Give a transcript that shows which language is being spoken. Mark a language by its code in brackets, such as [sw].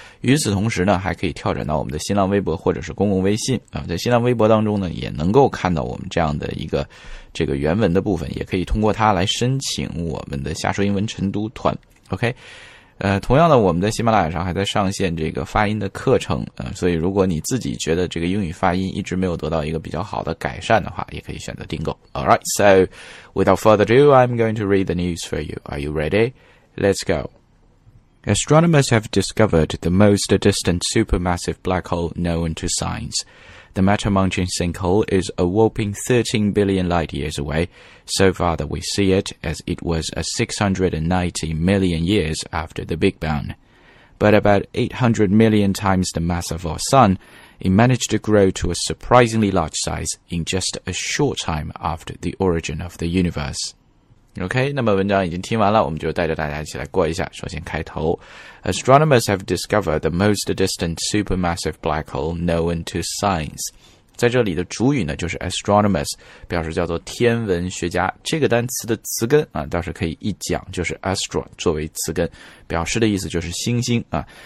[zh] 与此同时呢，还可以跳转到我们的新浪微博或者是公共微信啊，在新浪微博当中呢，也能够看到我们这样的一个这个原文的部分，也可以通过它来申请我们的下说英文晨读团。 OK， 同样的，我们在喜马拉雅上还在上线这个发音的课程啊，所以如果你自己觉得这个英语发音一直没有得到一个比较好的改善的话，也可以选择订购。 [en] All right, so. Without further ado, I'm going to read the news for you. Are you ready? Let's go. Astronomers have discovered the most distant supermassive black hole known to science. The Matter-Munching sinkhole is a whopping 13 billion light years away, so far that we see it as it was a 690 million years after the Big Bang. But about 800 million times the mass of our sun, it managed to grow to a surprisingly large size in just a short time after the origin of the universe. [zh] OK, 那么文章已经听完了，我们就带着大家一起来过一下。首先开头， [en] Astronomers have discovered the most distant supermassive black hole known to science. [zh] 在这里的主语呢就是 astronomers, 表示叫做天文学家。这个单词的词根啊，倒是可以一讲，就是 astro 作为词根，表示的意思就是星星啊。